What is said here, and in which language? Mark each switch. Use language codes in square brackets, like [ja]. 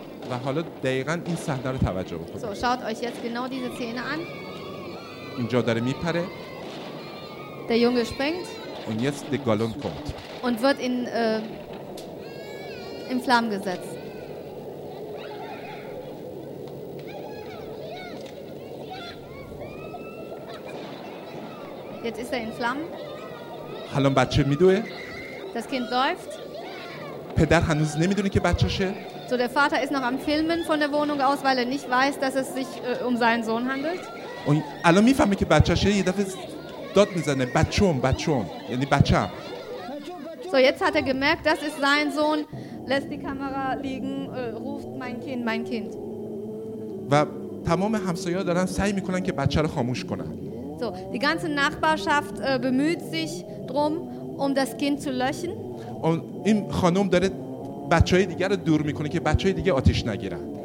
[fa] و حالا دقیقاً این صحنه رو توجه بکنید. [de] So schaut euch jetzt genau diese Szene an. [fa] اینجا داره میپره. [de] Der Junge springt. Und jetzt der Ballon kommt. Und wird in in Flammen gesetzt. Jetzt ist in Flammen. [fa] حالا بچه میدوه. [de] Das Kind läuft. [fa] پدر هنوز نمیدونه که بچه‌شه. [de] So der Vater ist noch am Filmen von der Wohnung aus, weil nicht weiß, dass es sich um seinen Sohn handelt. Und [fa] الان میفهمه که بچه‌شه. یه دفعه داد میزنه. بچه‌م، بچه‌م. یعنی بچه‌م. [de] So jetzt hat gemerkt, das ist sein Sohn. Lässt die Kamera liegen, ruft mein Kind. [fa] و تمام همسایه‌ها دارن سعی میکنن که بچه رو خاموش کنن. [de] So, die ganze Nachbarschaft bemüht sich drum, um das Kind zu löschen. Und im [fa] خانم داره بچهای دیگه رو دور میکنه که بچهای دیگه آتش نگیرن.